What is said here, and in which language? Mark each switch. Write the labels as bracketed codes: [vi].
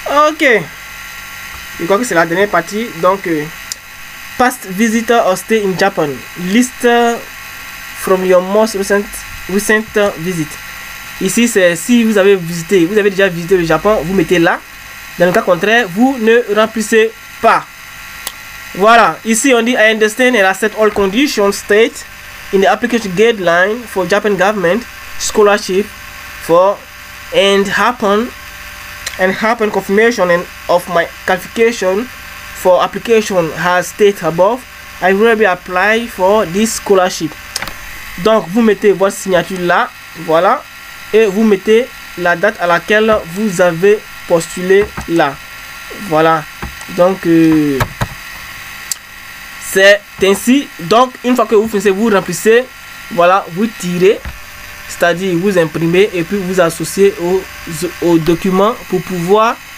[fr] Ok, je crois que c'est la dernière partie. Donc [en] past visitor or stay in Japan, list from your most recent visit. [fr] Ici c'est si vous avez déjà visité le Japon, vous mettez là. Dans le cas contraire, vous ne remplissez pas. Voilà, ici on dit [en] I understand and accept all conditions state in the application guideline for Japan government scholarship for and happen confirmation and of my qualification for application has state above, I will be apply for this scholarship. [fr] Donc vous mettez votre signature là, voilà, et vous mettez la date à laquelle vous avez postulé là, voilà. Donc c'est ainsi. Donc une fois que vous finissez, vous remplissez, voilà, vous tirez, c'est à dire vous imprimez et puis vous associez aux documents pour pouvoir